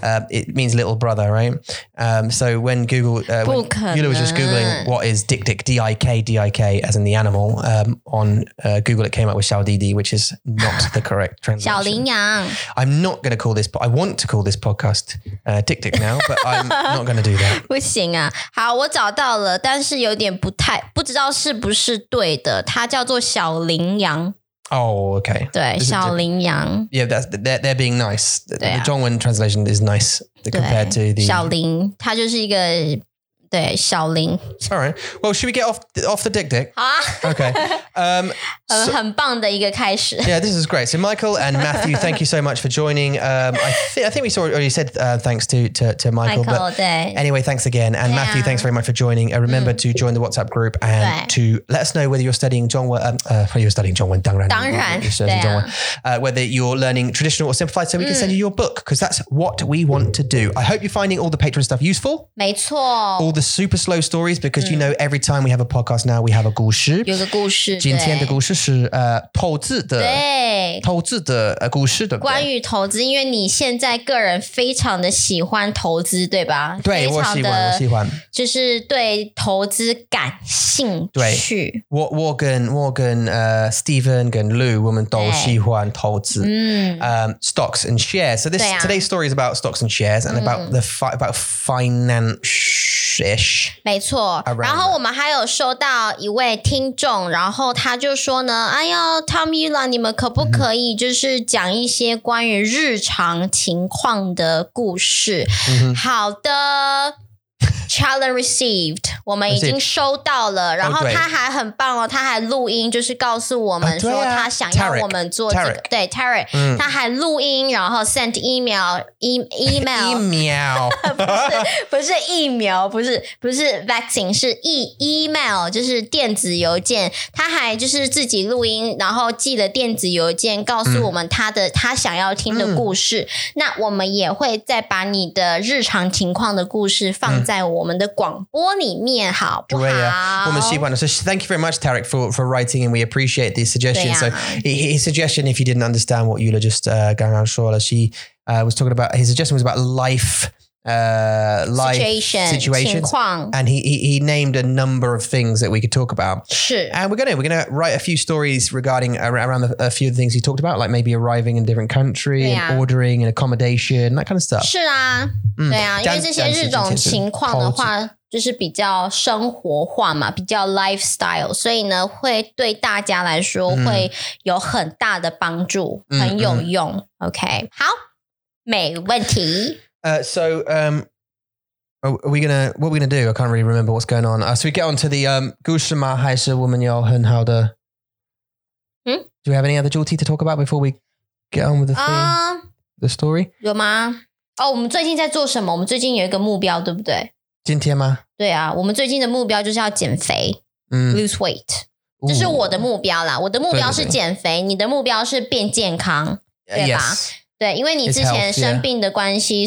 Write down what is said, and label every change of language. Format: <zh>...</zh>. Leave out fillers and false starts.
<en>It means little brother, right? So when Google, when Yula was just Googling what is dick dick, D-I-K-D-I-K, as in the animal, on Google, it came up with</en> <zh>小弟弟,</zh> <en>which is not the correct translation.</en> <zh>小羚羊.</zh> <en>I'm not going to call this, but I want to call this podcast dick dick now, but I'm not going to do that.</en> <zh>不行啊。好,我找到了,但是有点不太,不知道是不是对的,它叫做小羚羊。</zh> <en>Oh, okay.</en> <zh>对,小羚羊。</zh> <en>Yeah, they're being nice. The 中文 translation is nice compared to the...</en> <zh>小羚,它就是一个,对,小羚。</zh> <en>All right. Well, should we get off the dick dick?</en> <zh>好啊。</zh> <en>Okay.</en> <zh>很棒的一个开始。</zh> <en>Yeah, this is great. So Michael and Matthew, thank you so much for joining. I think we already said thanks to Michael.</en> <zh>Michael, 对。</zh> <en>Anyway, thanks again. And Matthew, thanks very much for joining. Remember to join the WhatsApp group and to let us know whether you're studying 中文, whether you're studying 中文,</en> <zh>当然。当然。</zh> <en>Whether you're learning traditional or simplified so we can send you your book because that's what we want to do. I hope you're finding all the Patreon stuff useful.</en> <zh>没错。</zh> <en>All the super slow stories because you know every time we have a podcast now we have a 故事。</en> <zh>有个故事。今天的故事。就是投资的，对，投资的故事，对不对？关于投资，因为你现在个人非常的喜欢投资，对吧？对，我喜欢，我喜欢，就是对投资感兴趣。对我跟Steven 跟 Lou 我们都喜欢投资，</zh> <en>stocks and shares. So this today's story is about stocks and shares and about finance-ish.</en> <zh>没错。然后我们还有收到一位听众，然后他就说。说呢，哎呦 ，Tom Yula， 你们可不可以就是讲一些关于日常情况的故事？好的 ，</zh> <en>challenge received，</en> <zh>我们已经收到了。然后他还很棒哦，他还录音，就是告诉我们说他想要我们做这个。 Tarek. 对 ，Terry，他还录音，然后</zh> <en>send email</en> <zh>疫苗不是疫苗不是 vaccine 是 email 就是电子邮件他还就是自己录音然后寄了电子邮件告诉我们他的他想要听的故事那我们也会再把你的日常情况的故事放在我们的广播里面好不好、</zh> <en>我们喜欢的 so thank you very much Tarek for writing and we appreciate the suggestion so his suggestion if you didn't understand what Yula just</en> <zh>刚刚说了</zh> <en>was talking about his suggestion was about life situation, 情况 and he named a number of things that we could talk about.</en> <zh>是</zh> <en>and we're gonna write a few stories regarding around a few of the things he talked about, like maybe arriving in a different country, and ordering and accommodation, that kind of stuff.</en> <zh>是啊，对啊，因为这些日常情况的话，就是比较生活化嘛，比较 lifestyle， 所以呢，会对大家来说会有很大的帮助，很有用。 OK， 好。没问题。</zh> <en>What are we going to do? I can't really remember what's going on. So we get on to the</en> <zh>故事吗？还是我们有很好的？</zh> <en>Do we have any other 主题 to talk about before we get on with the theme, the story?</en> <zh>有吗？哦，我们最近在做什么？我们最近有一个目标，对不对？今天吗？对啊，我们最近的目标就是要减肥，</zh> <en>lose weight。</en> <zh>这是我的目标啦，我的目标是减肥，你的目标是变健康，对吧？</zh> <en>Yes.</en> <zh>对，因为你之前生病的关系</zh>